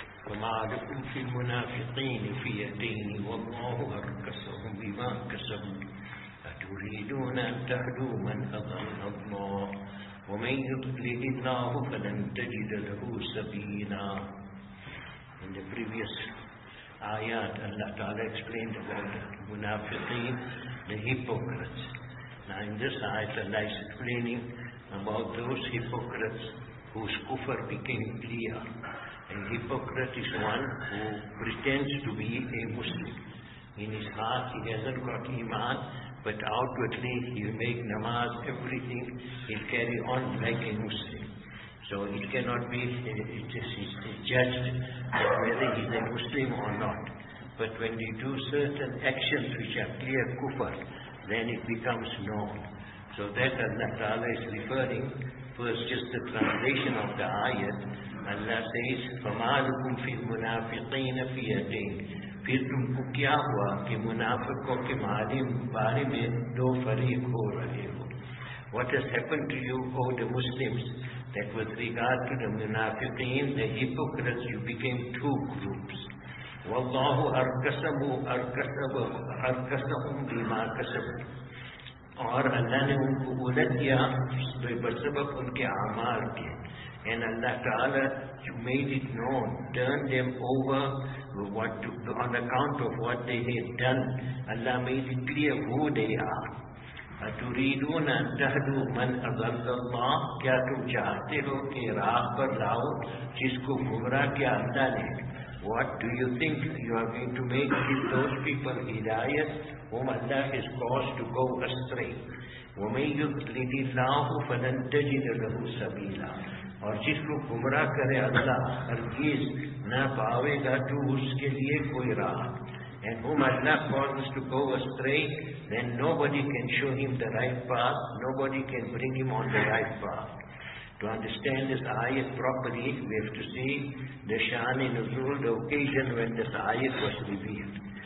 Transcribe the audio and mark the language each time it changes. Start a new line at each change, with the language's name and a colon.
Arabic: وما لكم في المنافقين في يدين والله أركسهم بما كسبوا أتريدون أن تهدوا من أضل الله ومن يضلل الله فلن تجد له سبيلا.
English: In the previous ayat, Allah Ta'ala explained about the munafiqeen, the hypocrites. Now in this ayat, Allah is explaining about those hypocrites whose kufr became clear. A hypocrite is one who pretends to be a Muslim. In his heart he hasn't got iman, but outwardly he'll make namaz, everything, he'll carry on like a Muslim. So it cannot be judged whether he is a Muslim or not. But when they do certain actions which are clear kufr, then it becomes known. So that Allah Ta'ala is referring, first just the translation of the ayat. Allah says,
Arabic: فَمَا لُكُمْ فِي الْمُنَافِقِينَ فِي يَدَيْنِ
Urdu: پھر تم کو کیا ہوا کہ منافقوں کے معلوم بارے میں دو فریق ہو رہے ہو.
English: What has happened to you, O the Muslims, that with regard to the munafiqeen, the hypocrites, you became two groups.
Arabic: وَاللَّهُ أَرْكَسَهُمْ بِمَا كَسَبُوا.
Urdu: اور اللہ نے ان کو اُلَدْ دیا بسبب ان کے اعمال کے.
English: And Allah Ta'ala, you made it known, turned them over on account of what they had done. Allah made it clear who they are.
Arabic: أَتُرِيدُونَ أَن تَهْدُوا مَنْ أَضَلَّ اللَّهُ.
Urdu: کیا تم چاہتے ہو کہ راہ پر لاؤ جس کو گمراہ کیا اللہ نے.
English: What do you think you are going to make with those people hidayat whom Allah has caused to go astray.
Arabic: وَمَنْ يُضْلِلِ اللَّهُ فَلَنْ تَجِدَ لَهُ سَبِيلًا.
Urdu: اور جس کو گمراہ کرے اللہ ہرگز نہ پاوے گا تو اس کے لیے کوئی راہ.
English: And whom Allah causes to go astray, then nobody can show him the right path, nobody can bring him on the right path. To understand this ayat properly, we have to see the shan-e-nuzul, the occasion when this ayat was revealed.